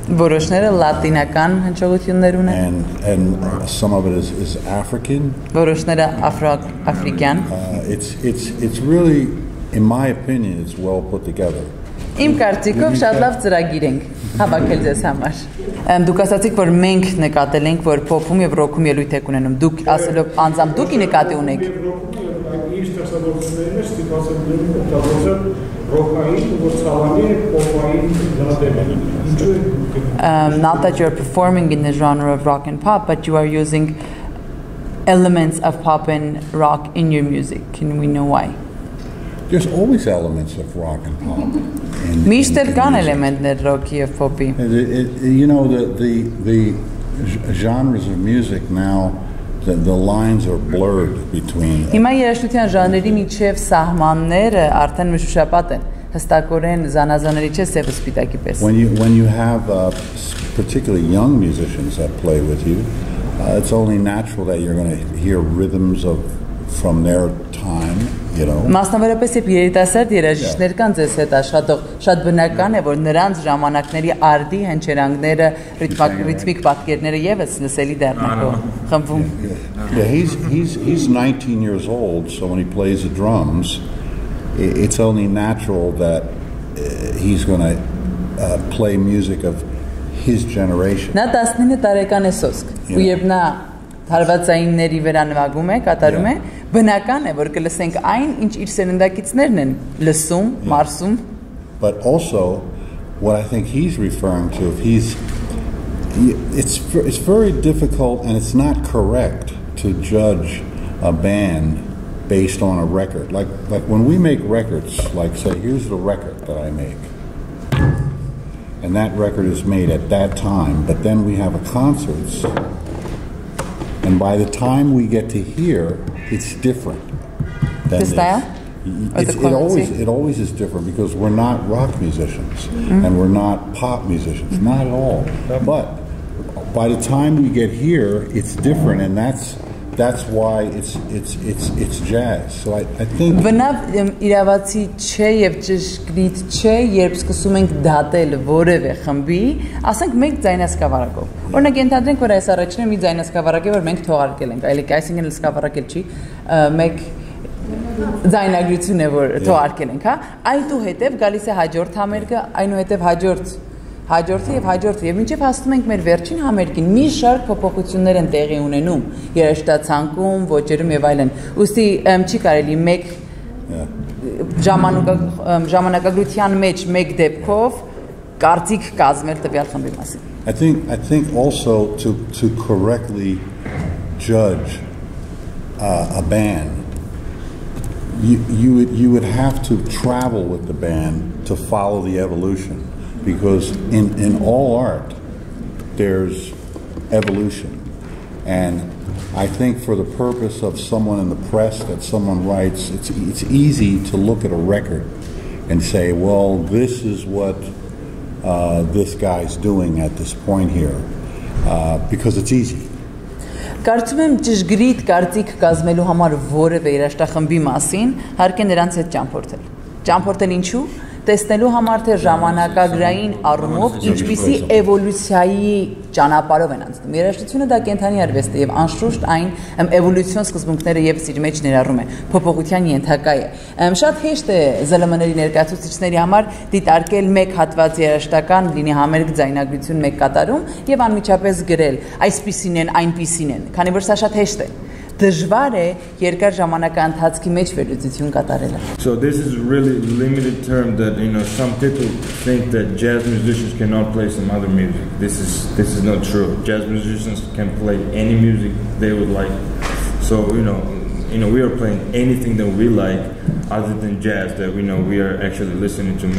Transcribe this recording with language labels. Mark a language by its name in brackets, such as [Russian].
[Armenian] Որոշները լատինական հնչողություններ ունեն. [English] And some of it is African. [Armenian] Որոշները աֆրիկյան. [English] It's really, in my opinion, it's well put together. [Armenian] Իմ կարծիքով շատ լավ ծրագիր ենք հավաքել ձեզ համար։ Դուք ասացիք, որ մենք նկատել ենք, որ փոփում եւ ռոքում ելույթ եք ունենում։ Դուք ասելով անձամբ դուքի նկատի ունեք։ Ռոքում ելույթ ունենք, իսկ ստեղծագործությունները ստիպացել են ռոքային, որ ցավանի է փոփային դատեմ։ [English] Not that you're performing in the genre of rock and pop, but you are using elements of pop and rock in your music. Can we know why? There's always elements of rock and pop. [Armenian] Միշտ կան էլեմենտներ ռոքի եւ փոփի. [English] You know the genres of music now, the lines are blurred between. [Armenian] Հիմա երաժշտության ժանրերի միջև սահմանները արդեն մշուշապատ են, հստակորեն զանազանների չէ սև սպիտակի պես։ [English] When you have particularly young musicians that play with you, it's only natural that you're going to hear rhythms from their time. you know. [Armenian] Մասնավորապես եթե երիտասարդ երաժիշտներ կան ձեզ հետ աշխատող, շատ բնական է, որ նրանց ժամանակների արդի հնչերանգները, ռիթմիկ պատկերները եւս լսելի դառնակով խմբում. [English] He's 19 years old, so when he plays the drums, it's only natural that he's going to play music of his generation. [Armenian] Նա 19 տարեկան է սոսկ, ու երբ նա հարվածայինների վրա նվագում է, կատարում է, բնական է, որ կլսենք այն, ինչ իր սերնդակիցներն են լսում, մարսում. [English] But also, what I think he's referring to, it's very difficult and it's not correct to judge a band based on a record. Like when we make records, like say, here's the record that I make. And that record is made at that time, but then we have a concerts. And by the time we get to hear, it's different. The style? It always is different because we're not rock musicians and we're not pop musicians, not at all. But by the time we get here, it's different, and that's why it's jazz. So I think. [Armenian] Բնավ իրավացի չէ եւ ճշգրիտ չէ, երբ սկսում ենք դատել որևէ խմբի, ասենք մեկ ձայնասկավարակով։ Օրինակ ենթադրենք, որ այս առաջինը մի ձայնասկավարակ է, որ մենք թողարկել ենք, այլիկ այսինքն սկավարակ չի, մեկ ձայնագրություն է, որ թողարկել ենք, հա։ Այդուհետև գալիս է հաջորդ համերգը, այնուհետև հաջորդը եւ մինչեւ հասնում ենք մեր վերջին համերգին, մի շարք փոփոխություններ են տեղի ունենում երաժշտացանկում, ոճերում եւ այլն։ Ուստի չի կարելի մեկ ժամանակագրության մեջ մեկ դեպքով կարծիք կազմել տվյալ խմբի մասին։ [English] I think also to correctly judge a band, you would have to travel with the band to follow the evolution. Because in all art, there's evolution. And I think for the purpose of someone in the press that someone writes, it's easy to look at a record and say, well, this is what this guy's doing at this point here, because it's easy. [Armenian] Կարծում եմ ճշգրիտ կարծիք կազմելու համար որևէ երաժշտախմբի մասին, հարկ է նրանց հետ ճամփորդել։ Ճամփորդել ինչու? Տեսնելու համար, թե ժամանակագրային առումով ինչպիսի էվոլյուցիայի ճանապարհով են անցնում։ Երաժշտությունը դա կենթանի արվեստ է եւ անշուշտ այն էվոլյուցիոն սկզբունքները եւս իր մեջ ներառում է, փոփոխության ենթակա է։ Շատ հեշտ է ԶԼՄ-ների ներկայացուցիչների համար դիտարկել մեկ հատված երաժշտական, լինի համերգ, ձայնագրություն, մեկ կատարում եւ անմիջապես գրել, այսպիսին են, այնպիսին են, քանի որ սա շատ հեշտ է։ Դժվար է երկար ժամանակային ընթացքի մեջ վերլուծություն կատարելը։ [English] So this is really limited term that, you know, some people think that jazz musicians cannot play some other music. This is not true. Jazz musicians can play any music they would like. So, you know, we are playing anything that we like other than jazz that we know we are actually listening to.